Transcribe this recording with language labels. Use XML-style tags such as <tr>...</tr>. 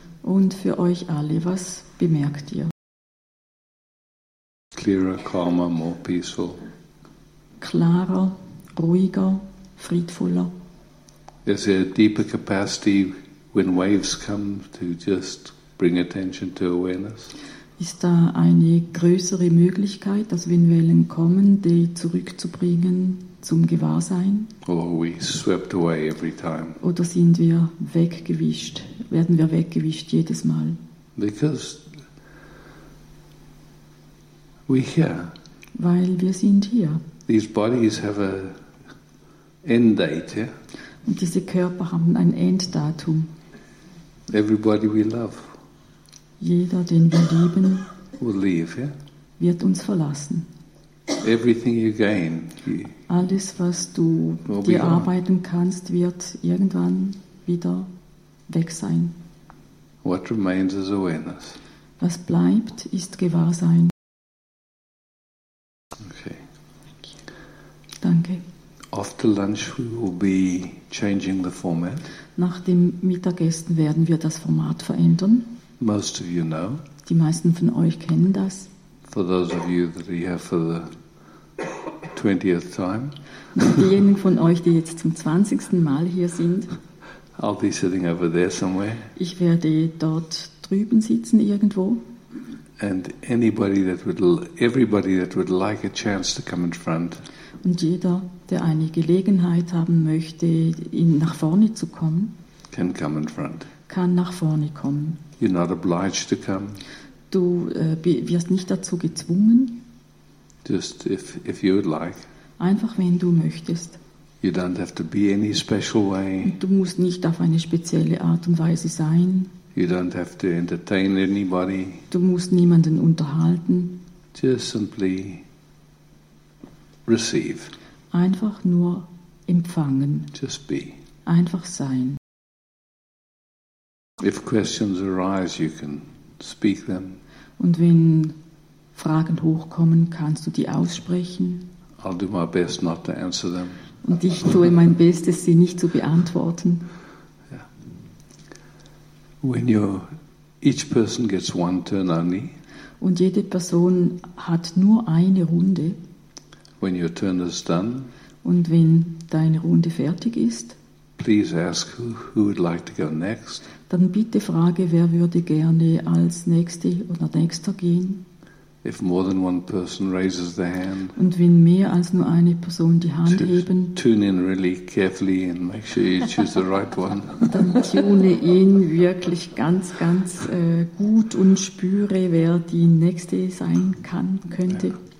<de>Und für euch alle, was bemerkt ihr?</de> <en>Clearer, calmer, more peaceful.</en> <de>Klarer, ruhiger, friedvoller.</de> <en>Is there a deeper capacity when waves come to just bring attention to awareness?</en> <de>Ist da eine größere Möglichkeit, dass wenn Wellen kommen, die zurückzubringen zum Gewahrsein?</de> <en>Or we swept away every time.</en> <de>Oder sind wir weggewischt? Werden wir weggewischt jedes Mal?</de> <en>Because we here.</en> <de>Weil wir sind hier.</de> <en>These bodies have an end date. Yeah?</en> <de>Und diese Körper haben ein Enddatum.</de> <en>Everybody we love.</en> <de>Jeder, den wir lieben,</de> <en>will leave, yeah?</en> <de>Wird uns verlassen.</de> <en>Everything you gain,</en> <de>alles, was du dir arbeiten kannst, wird irgendwann wieder weg sein.</de> <en>What remains is awareness.</en> <de>Was bleibt, ist Gewahrsein.</de> <en>Okay.</en> <de>Danke.</de> <en>After lunch we will be changing the format.</en> <de>Nach dem Mittagessen werden wir das Format verändern.</de> <en>Most of you know.</en> <de>Die meisten von euch kennen das.</de> <en>For those of you that are here for the 20th time.</en> <de>Diejenigen von euch, die jetzt zum 20. Mal hier sind.</de> <en>I'll be sitting over there somewhere.</en> <de>Ich werde dort drüben sitzen irgendwo.</de> <en>And anybody that would, everybody that would like a chance to come in front.</en> <de>Und jeder, der eine Gelegenheit haben möchte, ihn nach vorne zu kommen.</de> <en>Can come in front.</en> <de>Kann nach vorne kommen.</de> <en>You're not obliged to come.</en> <de>Du wirst nicht dazu gezwungen.</de> <en>Just if you would like.</en> <de>Einfach wenn du möchtest.</de> <en>You don't have to be any special way.</en> <de>Du musst nicht auf eine spezielle Art und Weise sein.</de> <en>You don't have to entertain anybody.</en> <de>Du musst niemanden unterhalten.</de> <en>Just simply receive.</en> <de>Einfach nur empfangen.</de> <en>Just be.</en> <de>Einfach sein.</de> <en>If questions arise, you can speak them.</en> <de>Und wenn Fragen hochkommen, kannst du die aussprechen.</de> <en>I'll do my best not to answer them.</en> <de>Und ich tue mein Bestes, sie nicht zu beantworten.</de> <en>Yeah. When you, each person gets one turn only.</en> <de>Und jede Person hat nur eine Runde.</de> <en>When your turn is done.</en> <de>Und wenn deine Runde fertig ist.</de> <en>Please ask who would like to go next.</en> <de>Dann bitte frage, wer würde gerne als Nächste oder Nächster gehen.</de> <en>If more than one person raises the hand.</en> <de>Und wenn mehr als nur eine Person die Hand heben.</de> <en>Tune in really carefully and make sure you choose the right one.</en> <de>Dann</de> <en>tune in</en> <de>wirklich ganz, ganz gut und spüre, wer die Nächste sein kann, könnte.</de>